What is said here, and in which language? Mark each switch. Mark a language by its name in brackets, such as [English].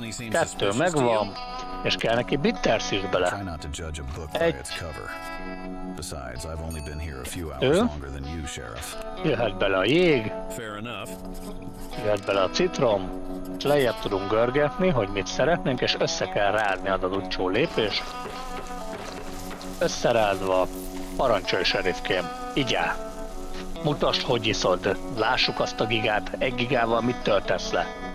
[Hungarian] Kettő megvan, és kell neki bitters is bele. [English] Try not to judge a book by its cover. Besides, I've only been here a few hours longer than you, Sheriff. [Hungarian] Jöhet bele a jég. [English] Fair enough. [Hungarian] Jöhet bele a citrom. Lejjebb tudunk görgetni, hogy mit szeretnénk, és össze kell rázni az utolsó lépést. Összerázva, parancsolj, serifkém. Igyál. Mutasd, hogy iszod. Lássuk azt a gigát. Egy gigával mit töltesz le?